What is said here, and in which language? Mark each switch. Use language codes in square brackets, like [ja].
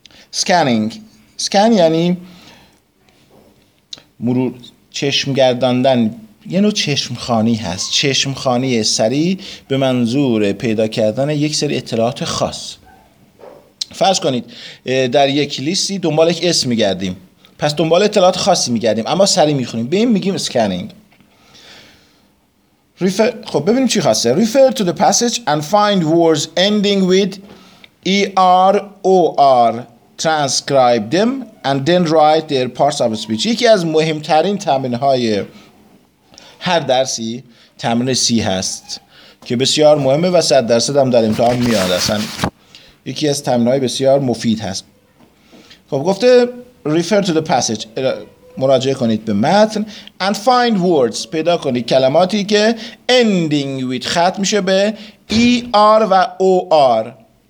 [fa] سکنینگ، سکن یعنی مرور، چشم گرداندن، یه نوع چشمخانی هست، چشمخانی سری به منظور پیدا کردن یک سری اطلاعات خاص. فرض کنید در یک لیستی دنبال یک اسم میگردیم، پس دنبال اطلاعات خاصی میگردیم اما سریع میخونیم، به این میگیم سکنینگ. خب ببینیم چی خواسته. [en] Refer to the passage and find words ending with ER OR. Transcribe them and then write their parts of speech. [fa] یکی از مهمترین تمرین های هر درسی تمرین C هست که بسیار مهمه و 100% هم در امتحان میاد، اصلا یکی از تمرین های بسیار مفید هست. خب گفته [en] refer to the passage، [fa] مراجعه کنید به متن، [en] and find words، [fa] پیدا کنید کلماتی که [en] ending with [fa] ختم میشه به ER و OR.